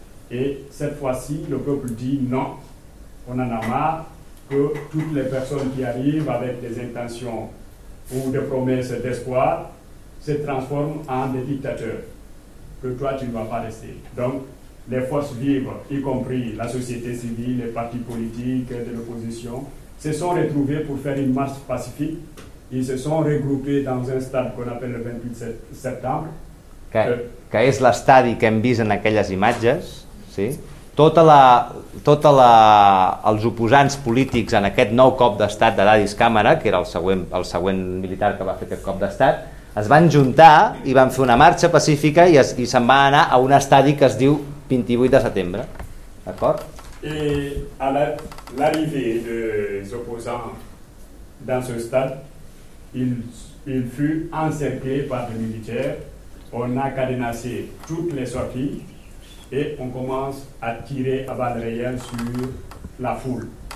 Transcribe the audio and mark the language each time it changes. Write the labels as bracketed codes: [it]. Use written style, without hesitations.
[fr] Et cette fois-ci, le peuple dit non, on en a marre que toutes les personnes qui arrivent avec des intentions ou des promesses d'espoir se transforme en des dictateurs, que toi tu ne vas pas rester. Donc, les forces vives, y compris la société civile, les partis politiques, de l'opposition, se sont retrouvés pour faire une marche pacifique. Ils se sont regroupés dans un stade qu'on appelle le 28 septembre. [ca] Que és l'estadi que hem vist en aquelles imatges, sí? Els oposants polítics en aquest nou cop d'estat de Addis Càmara, que era el següent militar que va fer aquest cop d'estat, es van juntar i van fer una marxa pacífica i se'n va anar a un estadi que es diu 28 de setembre. D'acord? I a [fr] l'arrivée [ca] dels oposants [fr] dans ce stade, il fut encerclé par des militaires, on a cadenassé toutes les sorties et on commence à tirer à balles réelles sur la foule.